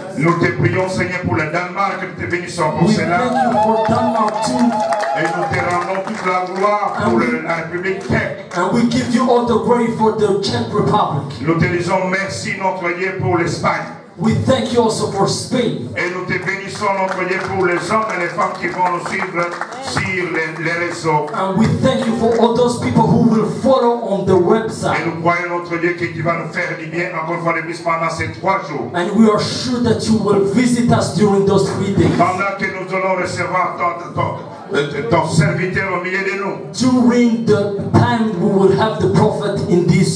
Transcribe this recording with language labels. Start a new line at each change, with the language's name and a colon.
French: Nous te prions Seigneur pour le Danemark, nous te bénissons pour
English: we
French: cela,
English: thank you for Denmark too.
French: Et nous te rendons toute la gloire pour la République Tchèque.
English: And we give you all the glory for the Czech Republic.
French: Nous te disons merci notre Dieu pour l'Espagne.
English: We thank you also for Spain.
French: Et nous te bénissons, notre Dieu, pour les hommes et les femmes qui vont nous suivre sur les réseaux.
English: And we thank you for all those people who will follow on the website.
French: Et nous croyons, notre Dieu, que tu vas nous faire du bien encore fois de plus pendant ces trois jours.
English: And we are sure that you will visit us during those 3 days.
French: Pendant que nous allons recevoir ton serviteur au milieu de nous.
English: During the time we will have the prophet in this